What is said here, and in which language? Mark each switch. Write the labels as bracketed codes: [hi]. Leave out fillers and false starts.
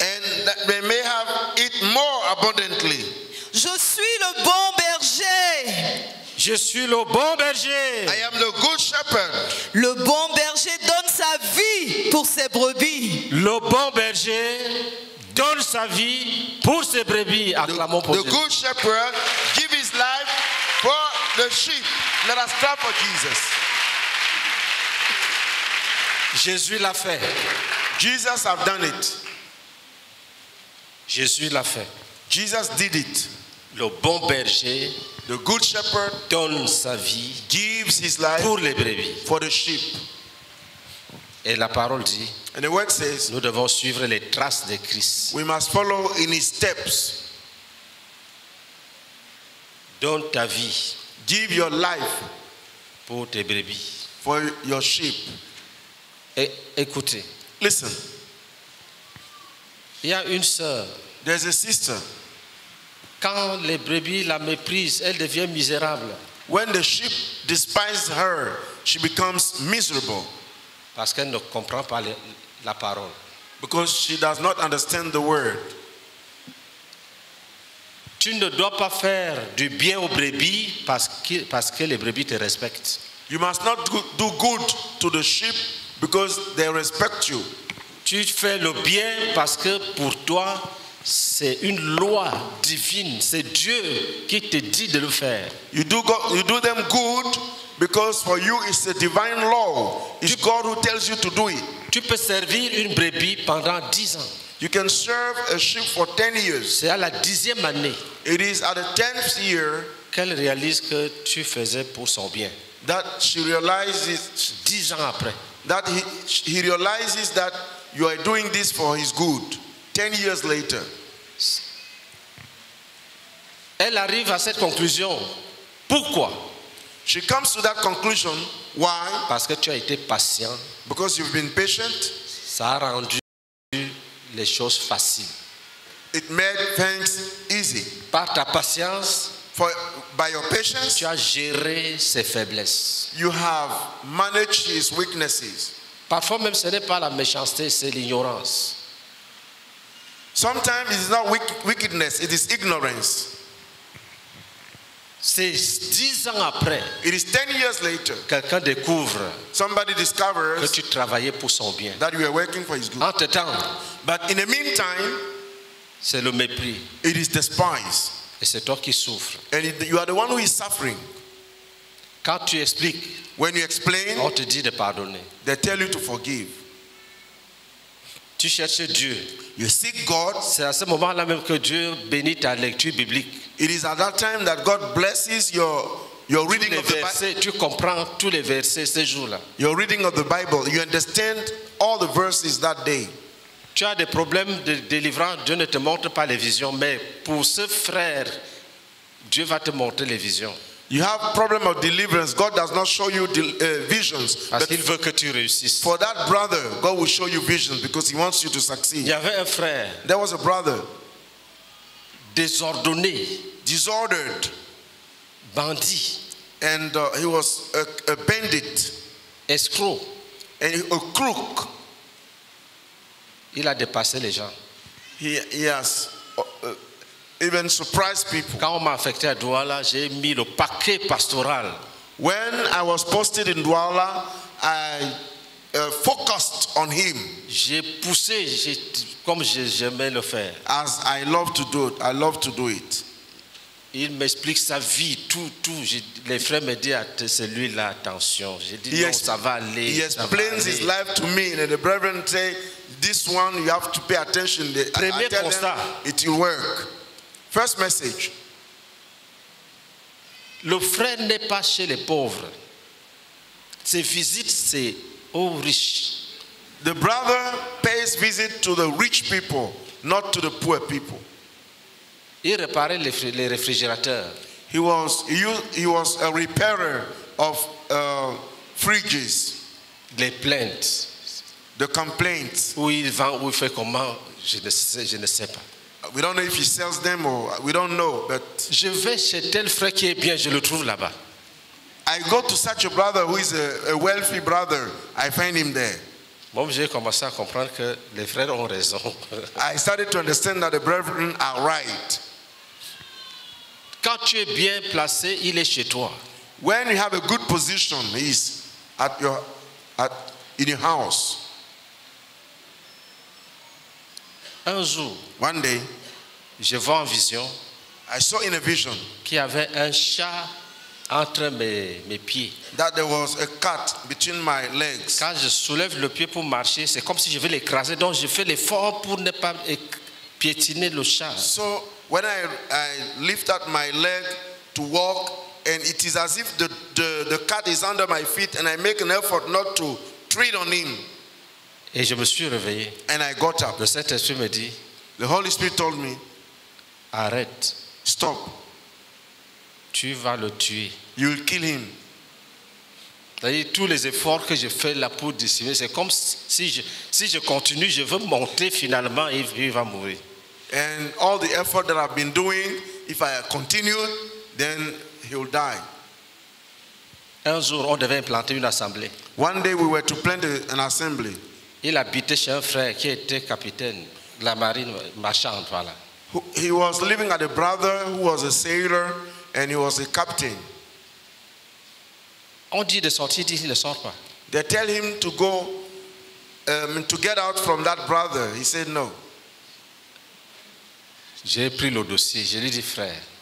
[en] And they may have it more abundantly. [fr] Je suis le bon berger. Je suis le bon berger. [en] I am the good shepherd. [fr] Le bon berger donne sa vie pour ses brebis. Le bon berger donne sa vie pour ses brebis. Acclamons pour Dieu. [en] The good shepherd gives his life for the sheep. Let us clap for Jesus. [fr] Jésus l'a fait. [en] Jesus have done it. [fr] Jésus l'a fait. [en] Jesus did it. [fr] Le bon berger, [en] the good shepherd, [fr] donne sa vie, [en] gives his life [fr] pour les brebis, [en] for the sheep. [fr] Et la parole dit, [en] and the word says, [fr] nous devons suivre les traces de Christ. [en] We must follow in his steps. [fr] Donne ta vie, [en] give your life [fr] pour tes brebis, [en] for your sheep. [fr] Et écoutez, [en] listen. [fr] Il y a une sœur. [en] There's a sister. [fr] Quand les brebis la méprisent, elle devient misérable. [en] When the sheep despises her, she becomes miserable. [fr] Parce qu'elle ne comprend pas la parole. [en] Because she does not understand the word. [fr] Tu ne dois pas faire du bien aux brebis parce que les brebis te respectent. [en] You must not do good to the sheep because they respect you. [fr] Tu fais le bien parce que pour toi c'est une loi divine, c'est Dieu qui te dit de le faire. [en] You do them good because for you it's a divine law. It's God who tells you to do it. [fr] Tu peux servir une brebis pendant 10 ans. [en] You can serve a sheep for 10 years. [fr] C'est à la 10e année. [en] It is at the 10th year [fr] qu'elle réalise que tu faisais pour son bien. [en] That she realizes [fr] 10 ans après. [en] That he realizes that you are doing this for his good. 10 years later, [fr] elle arrive à cette conclusion. Pourquoi? [en] She comes to that conclusion. Why? [fr] Parce que tu as été patient. [en] Because you've been patient. [fr] Ça a rendu les choses faciles. [en] It made things easy. [fr] Par ta patience, [en] by your patience, [fr] tu as géré ses faiblesses. [en] You have managed his weaknesses. [fr] Parfois même, ce n'est pas la méchanceté, c'est l'ignorance. [en] Sometimes it is not wickedness, it is ignorance. [fr] C'est 10 ans après. [en] It is 10 years later. [fr] Quelqu'un découvre. [en] Somebody discovers [fr] que tu travaillais pour son bien. [en] That you are working for his good. [fr] Entre-temps, [en] but in the meantime, [fr] c'est le mépris. [en] It is despise. [fr] Et c'est toi qui souffres. [en] And you are the one who is suffering. [fr] Quand tu expliques, [en] when you explain, [fr] on te dit de pardonner. [en] They tell you to forgive. [fr] Tu cherches Dieu. [en] You seek God. [fr] C'est à ce moment-là même que Dieu bénit ta lecture biblique. [en] It is at that time that God blesses your reading of the Bible. [fr] Tu comprends tous les versets ce jour-là. [en] Your reading of the Bible, you understand all the verses that day. [fr] Tu as des problèmes de délivrance, Dieu ne te montre pas les visions, mais pour ce frère, Dieu va te montrer les visions. [en] You have problem of deliverance. God does not show you visions. [fr] Parce qu'il veut que tu réussisses. [en] For that brother, God will show you visions because he wants you to succeed. [fr] Il y avait un frère. [en] There was a brother. [fr] Désordonné. [en] Disordered. [fr] Bandit. [en] And he was a bandit. [fr] Escroc. [en] And a crook. [fr] Il a dépassé les gens. [en] He has even surprised people. [fr] Quand on m'a affecté à Douala, j'ai mis le paquet pastoral. [en] When I was posted in Douala, I focused on him. [fr] J'ai poussé, comme j'aimais le faire. [en] As I love to do it, I love to do it. [fr] Il m'explique sa vie, tout. Les frères me disent, c'est lui là, attention. J'ai dit, non, ça va aller. [en] He explains his life to me, and the brethren say, this one, you have to pay attention. [fr] Premier constat. [en] It will work. First message. [fr] Le frère n'est pas chez les pauvres. Ses visites, c'est aux riches. [en] The brother pays visit to the rich people, not to the poor people. [fr] Il réparait les réfrigérateurs. [en] He was a repairer of fridges. [fr] Les plaintes. [en] The complaints. [fr] Où il vend, où il fait comment, je ne sais pas. [en] We don't know if he sells them or we don't know, but [fr] je vais chez tel frère qui est bien, je le trouve là-bas. [en] I go to such a brother who is a wealthy brother. I find him there. [fr] Bon, j'ai commencé à comprendre que les frères ont raison. [en] I started to understand that the brethren are right. [fr] Quand tu es bien placé, il est chez toi. [en] When you have a good position, he is in your house. [fr] Un jour, [en] one day, [fr] je vois en vision, [en] I saw in a vision [fr] qu'il y avait un chat entre mes pieds. [en] That there was a cat between my legs. [fr] Quand je soulève le pied pour marcher, c'est comme si je veux l'écraser, donc je fais l'effort pour ne pas piétiner le chat. [en] So when I lift up my leg to walk, and it is as if the cat is under my feet, and I make an effort not to tread on him. [fr] Et je me suis réveillé. [en] And I got up. [fr] Le Saint-Esprit me dit, [en] the Holy Spirit told me, [fr] arrête. [en] Stop. [fr] Tu vas le tuer. [en] You will kill him. [fr] C'est-à-dire, tous les efforts que je fais là pour dissimuler, c'est comme si je continue, je veux monter finalement, il va mourir. [en] And all the effort that I've been doing, if I continue, then he will die. [fr] Un jour, on devait implanter une assemblée. [en] One day we were to plant an assembly. [fr] Il habitait chez un frère qui était capitaine de la marine marchande, voilà. [en] He was living at a brother who was a sailor and he was a captain. [fr] On dit de sortir, il dit il ne sort pas. [en] They tell him to go to get out from that brother. He said no. [fr] J'ai pris le dossier, je lui dis frère.